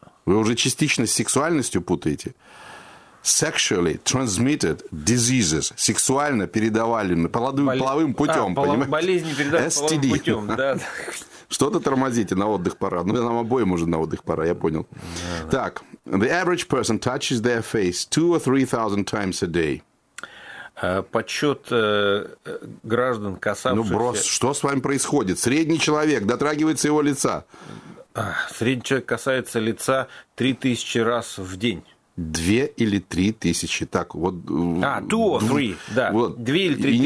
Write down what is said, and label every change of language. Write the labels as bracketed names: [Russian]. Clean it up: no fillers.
[Russian] Вы уже частично с сексуальностью путаете? [English] Sexually transmitted diseases. [Russian] Сексуально передаваемыми, половым путем, понимаете? Болезни передаваемыми STD. Половым путем, да. Что-то тормозите, на отдых пора. Ну, нам обоим уже на отдых пора, я понял. Да, да. Так. [English] The average person touches their face 2,000 or 3,000 times a day. [Russian] Подсчет граждан, касавшихся... Ну, брос, что с вами происходит? Средний человек дотрагивается его лица. Средний человек касается лица 3000 раз в день. 2 или 3 тысячи. Так, вот... А, 2 or 3, да. Вот. 2 или 3